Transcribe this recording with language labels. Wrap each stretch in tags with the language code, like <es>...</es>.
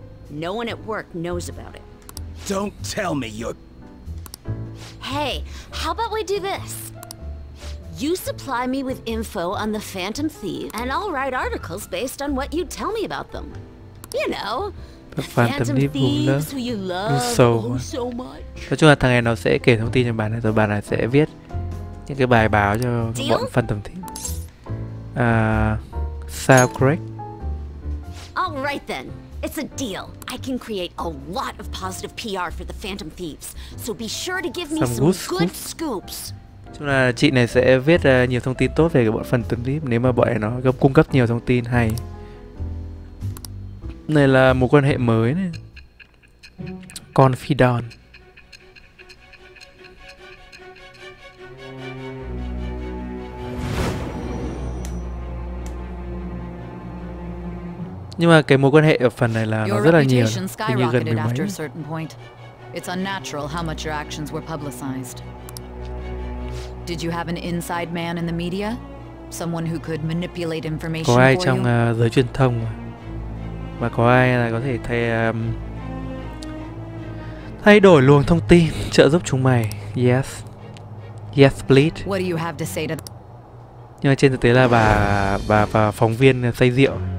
<en>No one at work knows about it. Don't tell me you're... Hey, how about we do this? You supply me with info on the Phantom Thieves, and I'll write articles based on what you tell me about them. You know, the Phantom Thieves who you love so much.</en> <vi>Nói chung là thằng này nó sẽ kể thông tin cho bạn này, rồi bạn này sẽ viết những cái bài báo cho bọn Phantom Thieves. Sao, Craig?</vi> <en>All right then, it's a deal. I can create a lot of positive PR for the Phantom Thieves, so be sure to give me some good scoops.</en> <vi>Chúng là chị này sẽ viết nhiều thông tin tốt về cái bộ phần tấm clip nếu mà bọn này nó cung cấp nhiều thông tin hay. Này là mối quan hệ mới này. Confidant. Nhưng mà cái mối quan hệ ở phần này là nó rất là nhiều, hình như gần mười mấy.</vi> <en>It's unnatural how much your actions were publicized. Did you have an inside man in the media? Someone who could manipulate information for you?</en> <vi>Có ai trong giới truyền thông mà có ai là có thể thay đổi luồng thông tin trợ giúp chúng mày?</vi> <en>Yes. Yes, please. What do you have to say to</en> <vi>Nhưng mà trên thực tế là bà phóng viên say rượu.</vi>